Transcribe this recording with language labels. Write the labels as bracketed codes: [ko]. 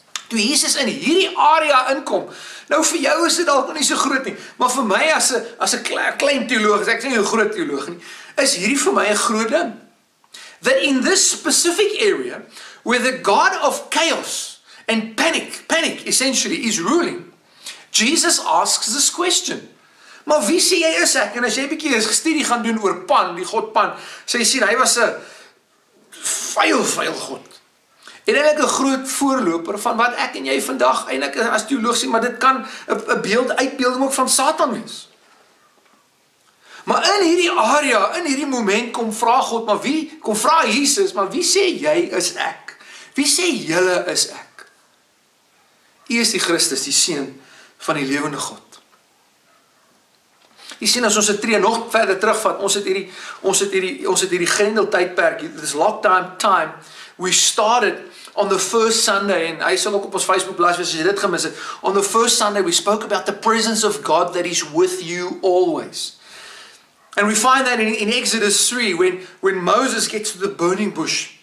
[af] Toe Jesus in hierdie area inkom, nou vir jou is dit dalk nie so groot nie, maar vir my as 'n klein teoloog, ek is nie 'n groot teoloog nie, is hierdie vir my 'n groot ding. [en] That in this specific area, where the god of chaos and panic essentially is ruling, Jesus asks this question. [af] Maar wie sê jy is ek? En as jy 'n bietjie 'n studie gaan doen oor Pan, die god Pan, sê jy sien, hy was 'n vuil god. En eintlik 'n groot voorloper van wat ek en jy vandag eintlik as teoloog sien, maar dit kan 'n beeld uitbeelding ook van Satan wees. Maar in hierdie area, in hierdie moment kom vra God, maar wie? Kom vra Jesus, maar wie sê jy is ek? Wie sê julle is ek? U is die Christus, die seun van die lewende God. Jy sien as ons 'n tree nog verder terugvat, ons het hierdie Grendel tydperk, dit is lockdown time. [en] We started on the first Sunday and [af] hy sal ook op ons Facebook bladsy as jy dit gemis het. [en] On the first Sunday we spoke about the presence of God that is with you always. And we find that in Exodus 3 when Moses gets to the burning bush.